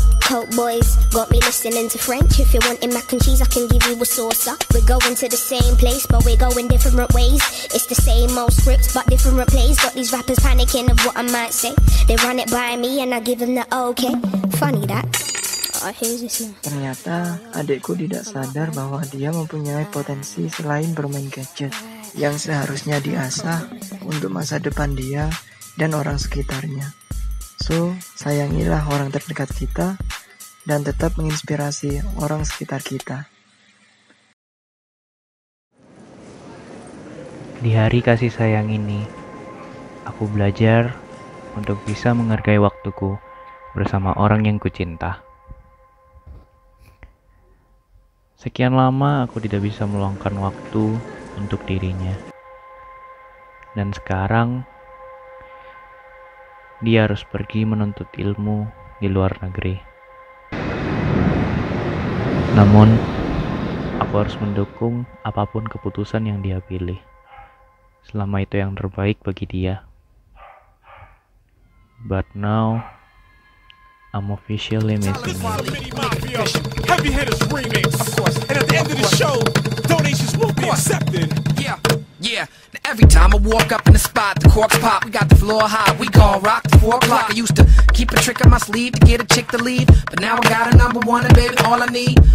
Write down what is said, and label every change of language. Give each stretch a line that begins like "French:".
English: Coke boys got me listening to French. If you're wanting mac and cheese, I can give you a saucer. We're going to the same place, but we're going different ways. It's the same old scripts, but different plays. Got these rappers panicking of what I might say. They run it by me, and I give them the okay. Funny that.
Indonesian: Ternyata adikku tidak sadar bahwa dia mempunyai potensi selain bermain gadget yang seharusnya diasah untuk masa depan dia dan orang sekitarnya. So, sayangilah orang terdekat kita dan tetap menginspirasi orang sekitar kita. Di hari kasih sayang ini, aku belajar untuk bisa menghargai waktuku bersama orang yang kucinta. Sekian lama aku tidak bisa meluangkan waktu untuk dirinya. Dan sekarang, dia harus pergi menuntut ilmu di luar negeri. Namun, aku harus mendukung apapun keputusan yang dia pilih, selama itu yang terbaik bagi dia.
English: But now, I'm officially missing you. Heavy Hitters Remix. Of course. And at the end of the show, donations will be accepted. Yeah, every time I walk up in the spot, the corks pop, we got the floor hot, we gon' rock till 4 o'clock. I used to keep a trick on my sleeve to get a chick to leave, but now I got a number one and baby, all I need.